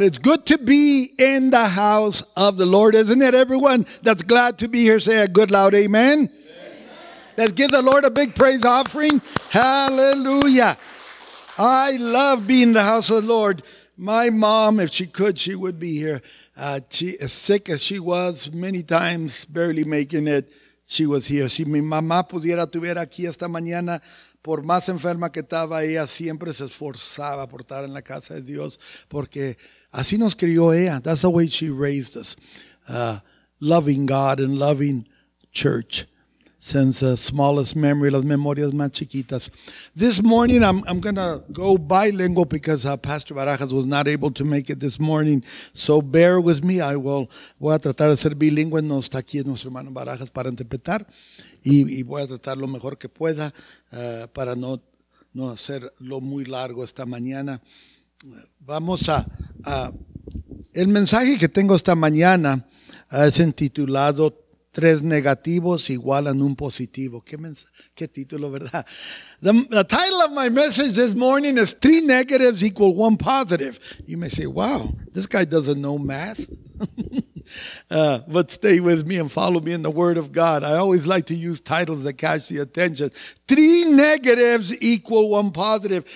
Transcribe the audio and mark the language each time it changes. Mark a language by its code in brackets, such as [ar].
[en] It's good to be in the house of the Lord, isn't it, everyone? That's glad to be here. Say a good loud amen. Amen. Let's give the Lord a big praise offering. Hallelujah. I love being in the house of the Lord. My mom, if she could, she would be here. She, as sick as she was, many times barely making it, she was here. [es] Si mi mamá pudiera estar aquí esta mañana, por más enferma que estaba, ella siempre se esforzaba por estar en la casa de Dios, porque así nos crió ella. [en] That's the way she raised us, loving God and loving church since the smallest memory, [es] las memorias más chiquitas. [en] This morning, I'm going to go bilingual because Pastor Barajas was not able to make it this morning. So bear with me. [es] Voy a tratar de ser bilingüe. No está aquí nuestro hermano Barajas para interpretar. Y voy a tratar lo mejor que pueda para no hacerlo muy largo esta mañana. Vamos a el mensaje que tengo esta mañana es intitulado Tres Negativos Igualan Un Positivo. ¿Qué título, verdad? [en] The title of my message this morning is Three Negatives Equal One Positive. You may say, wow, this guy doesn't know math. But stay with me and follow me in the Word of God. I always like to use titles that catch the attention. Three negatives equal one positive.